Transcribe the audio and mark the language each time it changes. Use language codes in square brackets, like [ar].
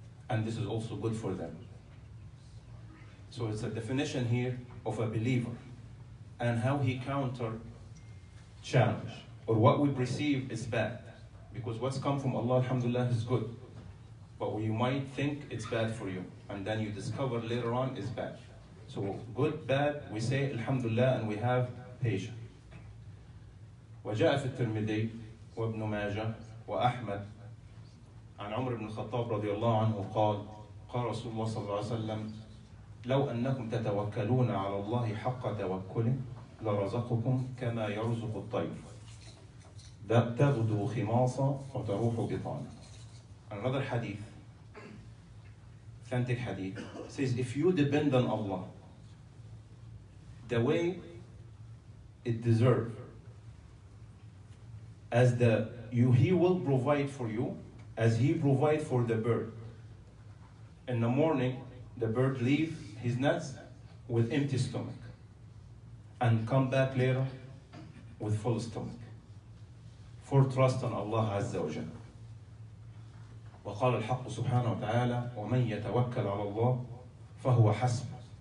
[en] And this is also good for them. So it's a definition here of a believer and how he counter challenge. Or what we perceive is bad. Because what's come from Allah, alhamdulillah, is good. But we might think it's bad for you. And then you discover later on is bad. So good, bad, we say alhamdulillah and we have patience. [ar] وَجَاءَ فِي التِّرْمِذِي وَابْنُ مَاجَةَ وَأَحْمَدْ عن عمر بن الخطاب رضي الله عنه قال قال رسول الله صلى الله عليه وسلم لو أنكم تتوكلون على الله حق توكله لرزقكم كما يرزق الطير تغدو خماصة وتروح بطانة. [en] Another hadith, authentic hadith, says if you depend on Allah the way it deserves, as he will provide for you as he provide for the bird. In the morning, the bird leave his nest with empty stomach and come back later with full stomach for trust on Allah Azza wa Jalla. [ar] وقال الحق سبحانه وتعالى ومن يتوكل على الله فهو حسبه.